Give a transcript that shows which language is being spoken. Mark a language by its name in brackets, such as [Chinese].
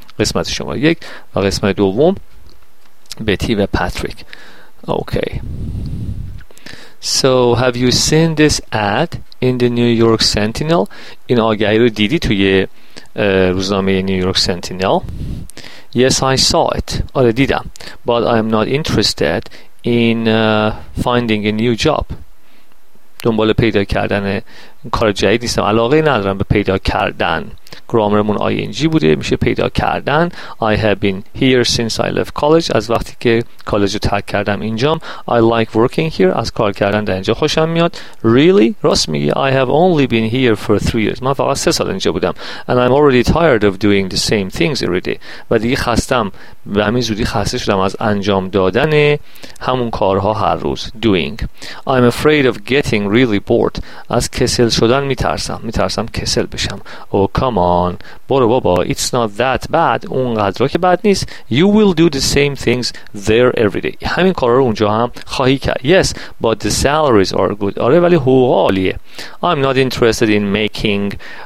[Persian] قسمت شماره 1 و قسمت دوم بتی و پاتریک. [English] Okay So have you seen this ad in the New York Sentinel? [Persian] این آگهی رو دیدی توی روزنامه New York Sentinel? [English] Yes, I saw it. [Persian] آره دیدم. [English] But I am not interested in finding a new job. [Persian] دنبال پیدا کردن کار جدید نیستم. علاقه ندارم به پیدا کردن. گرامرمون ING بوده میشه پیدا کردن. [English] I have been here since I left college. [Persian] از وقتی که کالج رو ترک کردم اینجام. [English] I like working here. [Persian] از کار کردن در اینجا خوشم میاد. [English] Really? [Persian] راست میگی. [English] I have only been here for 3 years. [Persian] من فقط 3 سال اینجا بودم. [English] And I'm already tired of doing the same things every day. [Persian] و دیگه خستم. و همین زودی خسته شدم از انجام دادن همون کارها هر روز. [English] Doing. I'm afraid of getting really bored. [Persian] از کسل شدن میترسم. میترسم کسل بشم. [English] Oh come on. [Persian] برو بابا [English] it's not that bad [Persian] اونقدر که بد نیست [English] you will do the same things there every day [Persian] همین کار رو اونجا هم خواهی کرد [English] yes but the salaries are good [Persian] آره ولی حقوق عالیه [English] I'm not interested in making